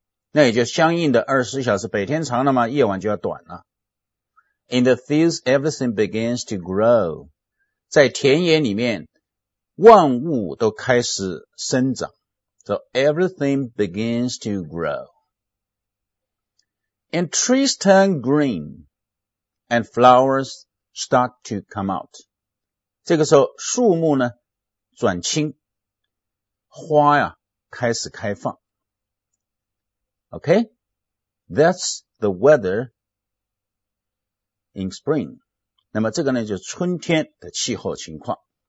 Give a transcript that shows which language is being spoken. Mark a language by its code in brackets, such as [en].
[zh] 那也就相应的24小时，百天长了嘛，夜晚就要短了。 [en] In the fields, everything begins to grow. [zh] 在田野里面，万物都开始生长。 [en] So everything begins to grow. And trees turn green, and flowers start to come out. [zh] 这个时候树木呢转青，花呀开始开放。 [en] Okay? That's the weather in spring. [zh] 那么这个呢就是春天的气候情况。